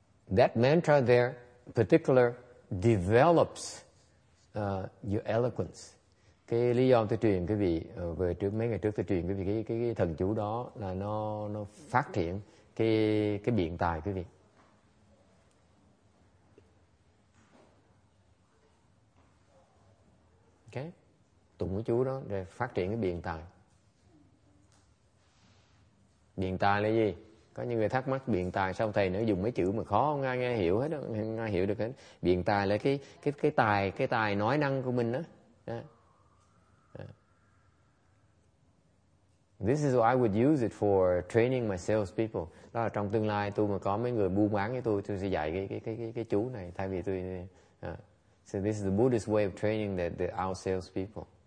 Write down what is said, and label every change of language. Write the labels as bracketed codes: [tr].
[en] That mantra there, in particular, develops your eloquence. [vi] Cái lý do tôi truyền quý vị về trước mấy ngày trước tôi truyền quý vị cái thần chú đó là nó phát triển cái biện tài quý vị. Okay. Tụng cái chú đó để phát triển cái biện tài. Biện tài là gì? Có những người thắc mắc biện tài sao thầy nữa dùng mấy chữ mà khó không ai nghe hiểu hết, không ai hiểu được hết. Biện tài là cái tài nói năng của mình đó. [en] This is what I would use it for training my salespeople. [vi] Đó là trong tương lai tôi mà có mấy người buôn bán với tôi sẽ dạy cái chú này thay vì tôi. [en] So this is the Buddhist way of training the our salespeople.